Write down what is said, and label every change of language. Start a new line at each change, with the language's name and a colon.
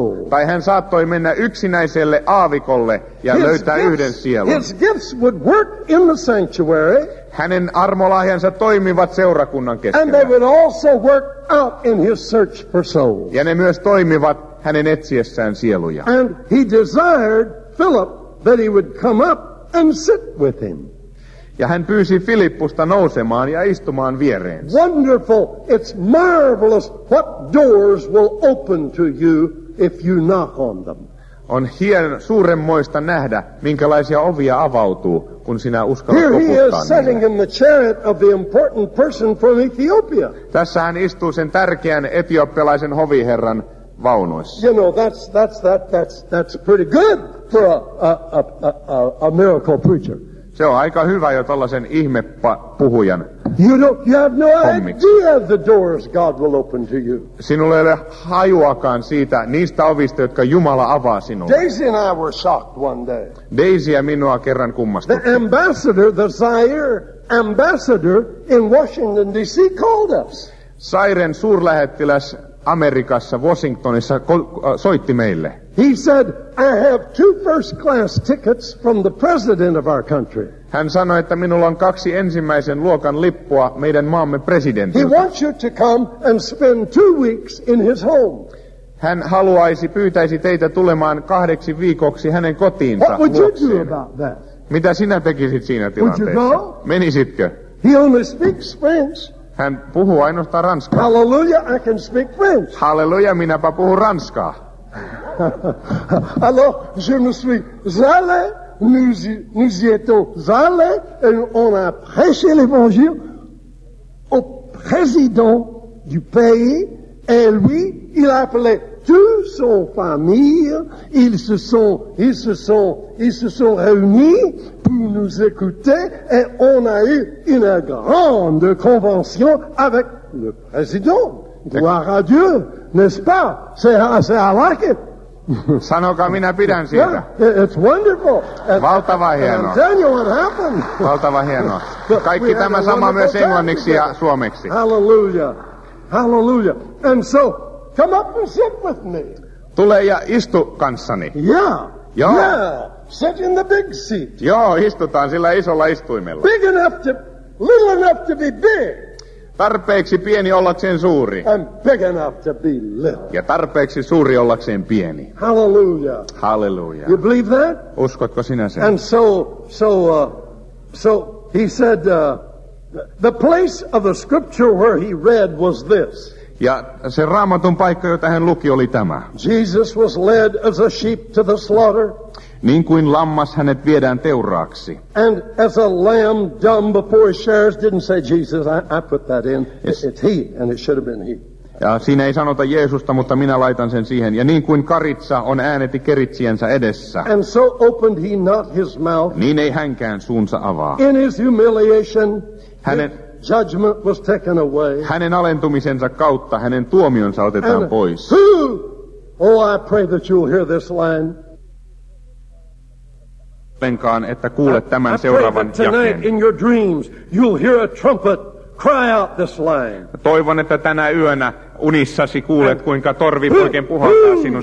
Finnish: Tai hän saattoi mennä yksinäiselle aavikolle ja löytää yhden sielun.
English: His gifts would work in the sanctuary.
Finnish: Hänen armolahjansa toimivat seurakunnan keskellä.
English: And they would also work out in his search for souls.
Finnish: Ja ne myös toimivat hänen etsiessään sieluja.
English: And he desired Philip that he would come up and sit with him.
Finnish: Ja hän pyysi Filippusta nousemaan ja istumaan viereensä.
English: Wonderful, it's marvelous what doors will open to you if you knock on them.
Finnish: On suuremmoista nähdä, minkälaisia ovia avautuu, kun sinä uskallat koputtaa.
English: Here he is sitting in the chariot of the important person from Ethiopia.
Finnish: Tässä hän istuu sen tärkeän etiopialaisen hoviherran vaunuissa.
English: You know, that's pretty good for a miracle preacher.
Finnish: Se on aika hyvä jo tollasen ihmepuhujan.
English: You have no idea the doors God will open to you.
Finnish: Sinulla ei ole hajuakaan siitä niistä ovista, jotka Jumala avaa sinulle.
English: Daisy and I were shocked one day.
Finnish: Daisy ja minua kerran kummastutti.
English: The ambassador, the Zaire ambassador in Washington D.C. called us.
Finnish: Zairen suurlähettiläs Amerikassa Washingtonissa soitti meille.
English: He said, I have two first class tickets from the president of our country.
Finnish: Hän sanoi, että minulla on kaksi ensimmäisen luokan lippua meidän maamme presidentiltä.
English: He wants you to come and spend 2 weeks in his home.
Finnish: Hän pyytäisi teitä tulemaan 2 viikoksi hänen kotiinsa.
English: What would you do about that?
Finnish: Mitä sinä tekisit siinä tilanteessa?
English: Would you go?
Finnish: Menisitkö?
English: He only speaks French.
Finnish: Hän puhuu ainoastaan ranskaa.
English: Hallelujah, I can speak French.
Finnish: Hallelujah, minäpä puhun ranskaa.
French: Alors, je me suis zalé, nous y étions zalé, et on a prêché l'évangile au président du pays, et lui, il a appelé toute son famille, ils se sont réunis pour nous écouter, et on a eu une grande convention avec le président. Gloire à Dieu, n'est-ce pas? C'est
English: I like it.
Finnish: Sanokaa, minä pidän siitä.
English: Yeah, it's wonderful.
Finnish: Valtava hienoa.
English: Tell you what happened.
Finnish: Valtava hienoa. Kaikki tämä sama myös englanniksi ja suomeksi. Hallelujah. Hallelujah.
English: And so, come up and sit with me.
Finnish: Tule ja istu kanssani.
English: Yeah.
Finnish: Joo.
English: Yeah. Sit in the big seat.
Finnish: Joo, istutaan sillä isolla istuimella.
English: Big enough to, little enough to be big.
Finnish: Tarpeeksi pieni ollakseen suuri.
English: And big enough to be little.
Finnish: Ja tarpeeksi suuri ollakseen pieni. Hallelujah. Hallelujah.
English: You believe that?
Finnish: Uskotko sinä sen?
English: And so he said the place of the scripture where he read was this.
Finnish: Ja se Raamatun paikka, jota hän luki, oli tämä.
English: Jesus was led as a sheep to the slaughter.
Finnish: niin kuin lammas hänet viedään teuraaksi.
English: And as a lamb dumb before his shearers didn't say Jesus, I put that in. It's he, and it should have been he.
Finnish: Ja siinä ei sanota Jeesusta, mutta minä laitan sen siihen. Ja niin kuin karitsa on ääneti keritsijänsä edessä,
English: and so opened he not his mouth,
Finnish: niin ei hänkään suunsa avaa.
English: In his humiliation,
Finnish: hänen,
English: his judgment was taken away.
Finnish: Hänen alentumisensa kautta hänen tuomionsa otetaan
English: and
Finnish: pois.
English: Who? Oh, I pray that you'll hear this line.
Finnish: Penkaan, että kuulet tämän seuraavan jakeen.
English: I pray that tonight in your dreams you'll hear a trumpet. Cry out this line.
Finnish: Toivon, että tänä yönä unissasi kuulet, kuinka torvi poikien puhaltaa sinun